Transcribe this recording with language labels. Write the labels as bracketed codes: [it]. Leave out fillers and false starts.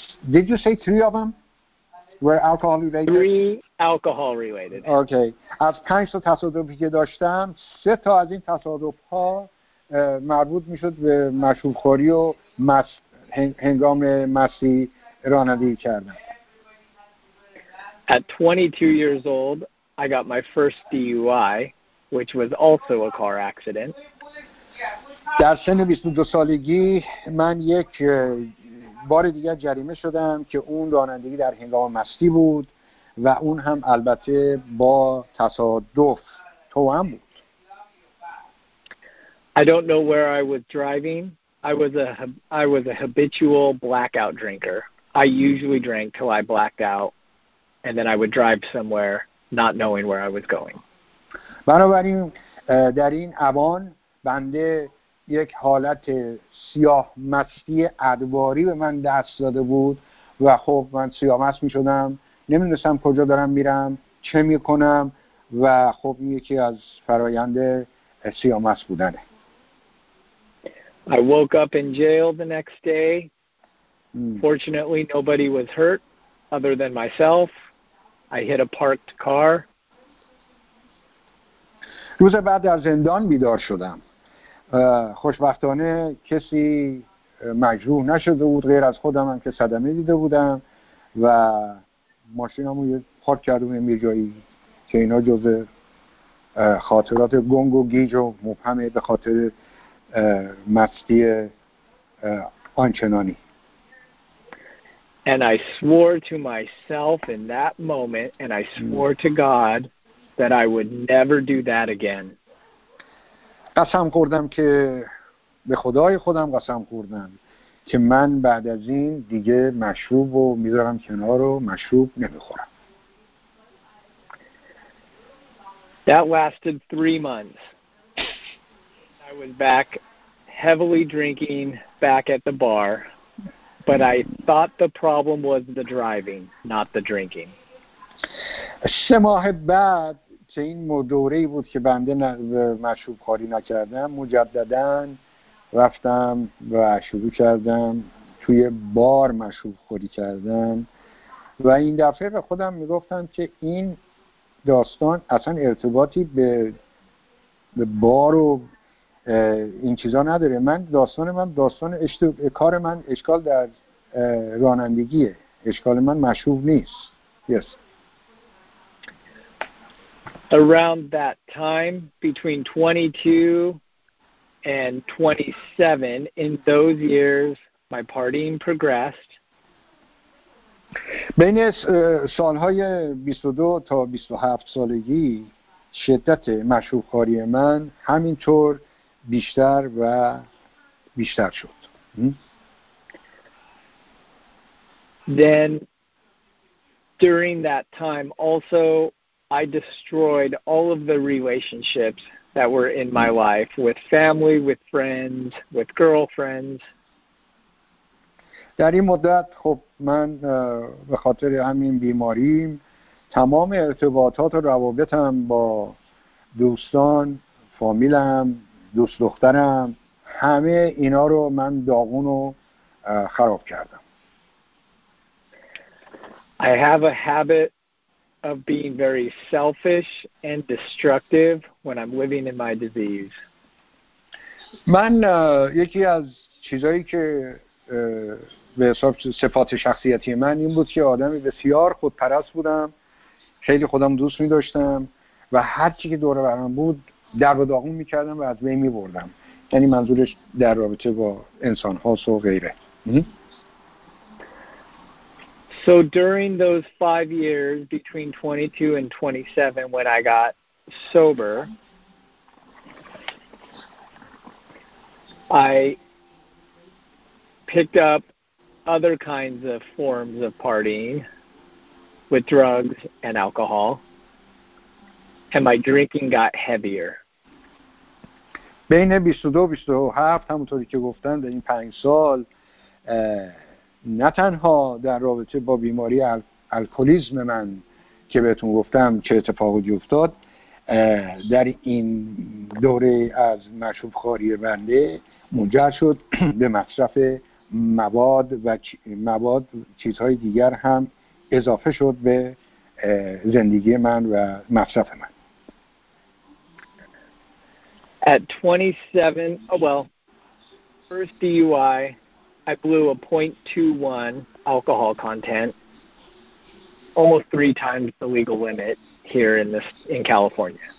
[en] Did you say 3 of them were alcohol related? 3 alcohol related. Okay. [fa] از 5 تا تصادفی که داشتم 3 تا از این تصادف‌ها مربوط می‌شد به مشروب‌خوری و هنگام مستی رانندگی کردن. [en] At 22 years old, I got my first DUI, which was also a car accident. [fa] در سن 22 سالگی من یک بار دیگر جریمه شدم که اون رانندگی در هنگام مستی بود و اون هم البته با تصادف توأم بود. [en] I don't know where I was driving. I was a habitual blackout drinker. I usually drank till I blacked out and then I would drive somewhere not knowing where I was going. [fa] بنابراین در این اوان بنده یک حالت سیاه مستی ادواری به من دست داده بود و خب من سیاه مست می شدم، نمی دونستم کجا دارم میرم، چه می کنم و خب یکی از فرایند سیاه مست بودنه. [en] I woke up in jail the next day. Fortunately nobody was hurt, other than myself. I hit a parked car. [fa] روز بعد از زندان بیدار شدم. خوشبختانه کسی مجروح نشده بود غیر از خودم هم که صدمه دیده بودم و ماشینمو پارک کردم یه جایی که اینا جزء خاطرات گنگ و گیج و مبهمه به خاطر مستی آنچنانی. [en] And I swore to myself in that moment and I swore to God that I would never do that again. [fa] قسم خوردم که به خدای خودم قسم خوردم که من بعد از این دیگه مشروب و میذارم کنار رو مشروب نمیخورم. [en] That lasted 3 months. I was back heavily drinking back at the bar, but I thought the problem was the driving, not the drinking. [fa] سه ماه بعد که این دوره ای بود که بنده مشروب خوری نکردم مجددا رفتم و شروع کردم توی بار مشروب خوری کردم و این دفعه به خودم میگفتم که این داستان اصلا ارتباطی به بار و این چیزا نداره. من داستان من داستان کار من اشکال در رانندگیه، اشکال من مشروب نیست. [en] Yes. Around that time, between 22 and 27, in those years, my partying progressed. [fa] بین سالهای 22 تا 27 سالگی شدت مشروبخواری من همینطور بیشتر و بیشتر شد. [en] Then, during that time also, I destroyed all of the relationships that were in my life with family, with friends, with girlfriends. [fa] در این مدت خب من به خاطر همین بیماریم تمام ارتباطات و روابطم با دوستان، فامیلم، دوست دخترم، همه اینا رو من داغون و خراب کردم. [en] I have a habit of being very selfish and destructive when I'm living in my disease. [fa] من یکی از چیزایی که به حساب صفات شخصیتی من این بود که آدمی بسیار خودپرست بودم، خیلی خودم دوست می‌داشتم و هر چی که دور برم بود در و داغون می‌کردم و از بین می‌بردم. یعنی منظورش در رابطه با انسان‌ها و غیره. [en] So during those 5 years between 22 and 27 when I got sober, I picked up other kinds of forms of partying with drugs and alcohol, and my drinking got heavier. [fa] بین 22 و 27 همونطوری که گفتن در این 5 سال نه تنها در رابطه با بیماری الکلیزم من که بهتون گفتم چه اتفاقی افتاد، در این دوره از مشروب خواری بنده منجر شد به مصرف مواد و مواد چیزهای دیگر هم اضافه شد به زندگی من و مصرف من. [en] At 27, first DUI, I blew a 0.21 alcohol content, almost 3 times the legal limit here in California.